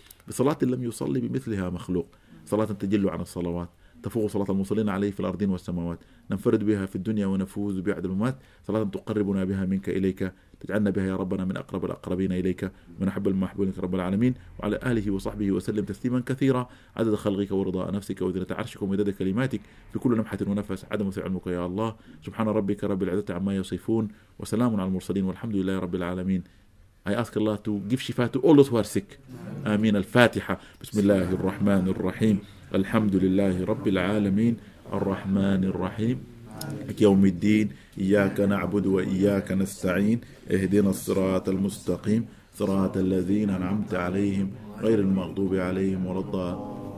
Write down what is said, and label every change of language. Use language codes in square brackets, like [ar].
[ar] بصلاة لم يصلي بمثلها مخلوق صلاة تجل عن الصلوات تفوق صلاة المصلين عليه في الأرضين والسماوات ننفرد بها في الدنيا ونفوز بعد الممات صلاة تقربنا بها منك إليك تجعلنا بها يا ربنا من أقرب الأقربين إليك من أحب المحبوبين رب العالمين وعلى آله وصحبه وسلم تسليما كثيرا عدد خلقك ورضا نفسك وزنة عرشك ومداد كلماتك في كل لمحة ونفس عدم في علمك يا الله سبحان ربك رب العزة عما يصفون وسلام على المرسلين والحمد لله رب العالمين. [en] I ask Allah to give shifa to all those who are sick. [ar] آمين الفاتحة بسم الله الرحمن الرحيم الحمد لله رب العالمين الرحمن الرحيم يوم الدين إياك نعبد وإياك نستعين اهدنا الصراط المستقيم صراط الذين أنعمت عليهم غير المغضوب عليهم ولا الضالين.